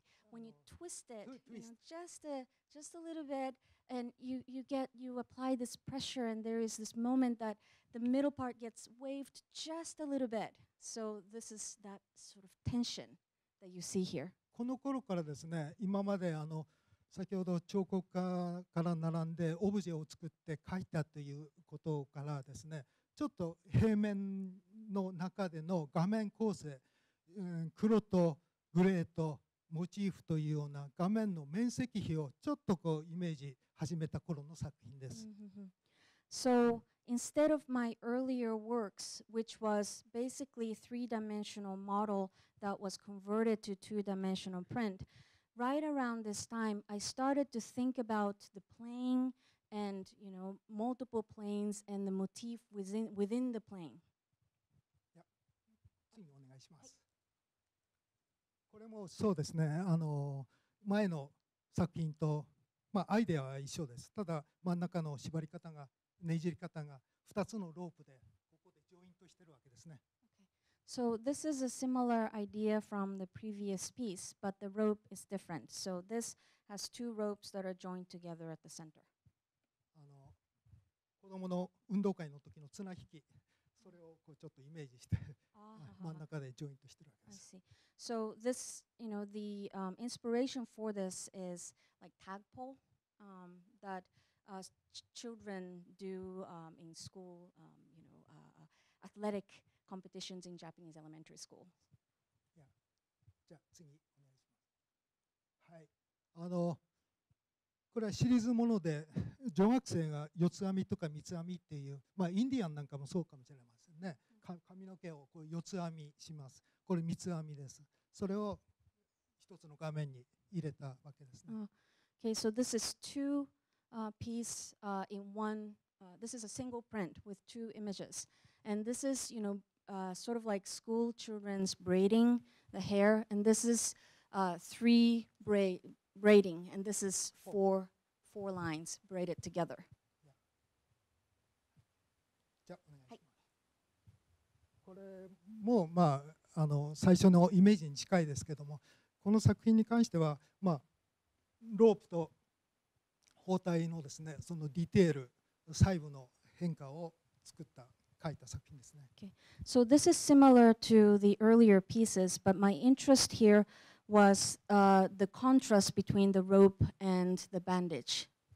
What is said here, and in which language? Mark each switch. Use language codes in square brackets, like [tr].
[en] When you twist it, you know, just a little bit, and you apply this pressure, and there is this moment that the middle part gets waved just a little bit. So this is that sort of tension that you see here. [ja] この頃からですね、今まで先ほど彫刻家から並んでオブジェを作って描いたということからですね、ちょっと平面の中での画面構成、黒とグレーとモチーフというような画面の面積比をちょっとこうイメージ始めた頃の作品です。 [en] So instead of my earlier works, which was basically three-dimensional model that was converted to two-dimensional print, right around this time, I started to think about the plane and, you know, multiple planes and the motif within the plane. [ja] Yeah. 次にお願いします。はいこれもそうですね。前の作品と、まあ、アイデアは一緒です。ただ真ん中の縛り方が、ねじり方が2つのロープでここでジョイントしてるわけですね。 [en] Okay. So this is a similar idea from the previous piece, but the rope is different. So this has two ropes that are joined together at the center. [ja] 子供の運動会の時の綱引き。それをこうちょっとイメージして真ん中でジョイントしてるわけです。 [en] I see. So this, you know, the inspiration for this is like tagpole that children do in school, you know, athletic competitions in Japanese elementary school. Yeah. [ja] じゃあ次お願いします。はい。これはシリーズもので、女学生が四つ編みとか三つ編みっていう、まあインディアンなんかもそうかもしれませんね。髪の毛をこう四つ編みします。これ三つ編みです。それを一つの画面に入れたわけですね。 [en] Okay, so this is two piece in one. This is a single print with two images, and this is, you know, sort of like school children's braiding the hair, and this is three braiding, and this is four lines braided together. [ja] これもまああの最初のイメージに近いですけども、この作品に関してはまあロープと包帯のですねそのディテール細部の変化を作った書いた作品ですね。So [en] this is similar to the earlier pieces, but my interest here was the contrast between the rope and the bandage.